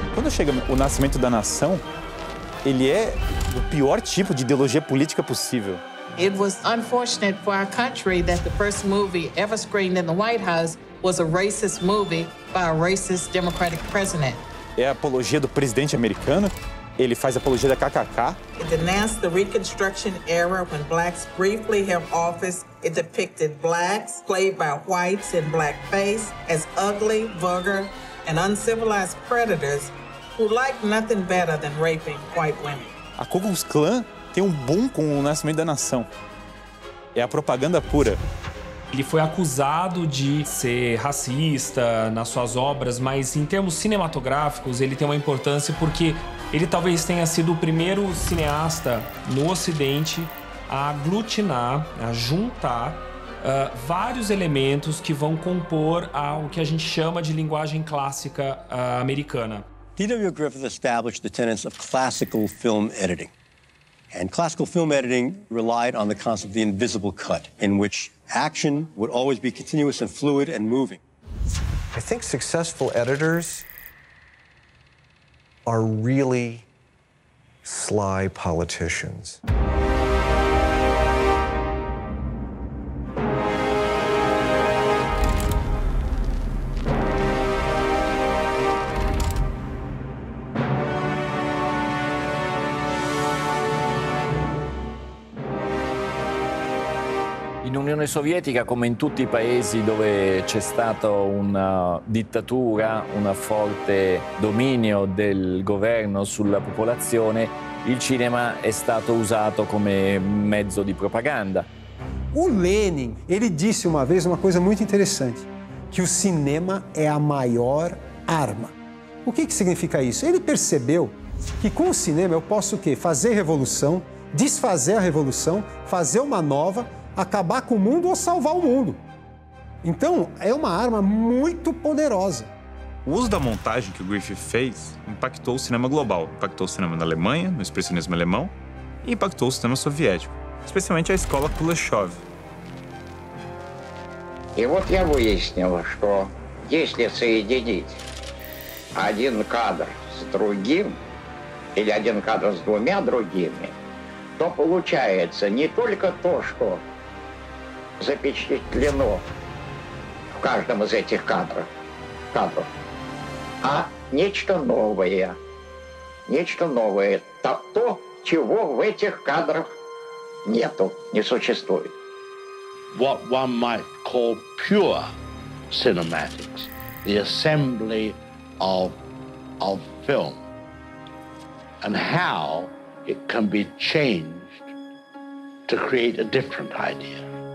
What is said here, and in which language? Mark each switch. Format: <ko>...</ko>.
<pt>Chega o Nascimento da Nação, ele é o pior tipo de ideologia política possível.</pt> <en>It was unfortunate for our country that the first movie ever screened in the White House was a racist movie by a racist Democratic president.</en> <pt>É a apologia do presidente americano. Ele faz a apologia da KKK.</pt> <en>It denounced the Reconstruction era when blacks briefly held office. It depicted blacks played by whites in blackface as ugly, vulgar, and uncivilized predators. Who like nothing better than raping white women.</en> <pt>A Ku Klux Klan tem um boom com o Nascimento da Nação. É a propaganda pura. Ele foi acusado de ser racista nas suas obras, mas em termos cinematográficos ele tem uma importância porque ele talvez tenha sido o primeiro cineasta no Ocidente a aglutinar, a juntar vários elementos que vão compor o que a gente chama de linguagem clássica americana.</pt> <en>D.W. Griffith established the tenets of classical film editing. And classical film editing relied on the concept of the invisible cut, in which action would always be continuous and fluid and moving. I think successful editors are really sly politicians.</en> <it>L'Unione Sovietica, come in tutti i paesi dove c'è stata una dittatura, un forte dominio del governo sulla popolazione, il cinema è stato usato come mezzo di propaganda.</it> <pt>O Lenin, ele disse uma vez uma coisa muito interessante, que o cinema é a maior arma. O que que significa isso? Ele percebeu que com o cinema eu posso o quê? Fazer revolução, desfazer a revolução, fazer uma nova, acabar com o mundo ou salvar o mundo. Então, é uma arma muito poderosa. O uso da montagem que o Griffith fez impactou o cinema global. Impactou o cinema da Alemanha, no expressionismo alemão, e impactou o cinema soviético, especialmente a escola Kuleshov.</pt> <ru>E вот я выяснил, что если соединить один кадр с другим или один кадр с двумя другими, то получается не только то, что запечатлено в каждом из этих кадров, а нечто новое, то, чего в этих кадрах нету, не существует.</ru> <en>What one might call pure cinematics, the assembly of film, and how it can be changed to create a different idea.</en>